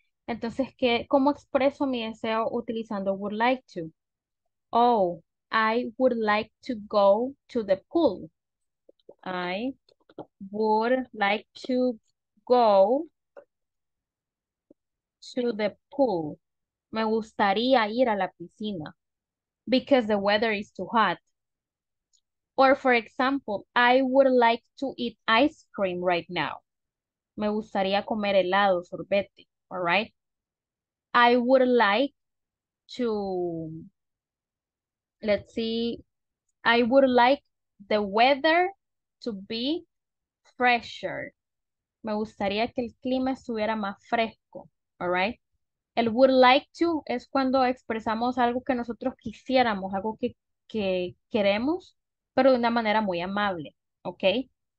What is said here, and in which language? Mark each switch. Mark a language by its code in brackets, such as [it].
[es] Entonces, ¿qué, cómo expreso mi deseo utilizando would like to? [en] Oh, I would like to go to the pool. I would like to go to the pool. [es] Me gustaría ir a la piscina [en] because the weather is too hot. Or, for example, I would like to eat ice cream right now. [es] Me gustaría comer helado, sorbete, [en] all right? I would like to, let's see, I would like the weather to be fresher. [es] Me gustaría que el clima estuviera más fresco, all right? El would like to es cuando expresamos algo que nosotros quisiéramos, algo que queremos, pero de una manera muy amable, okay?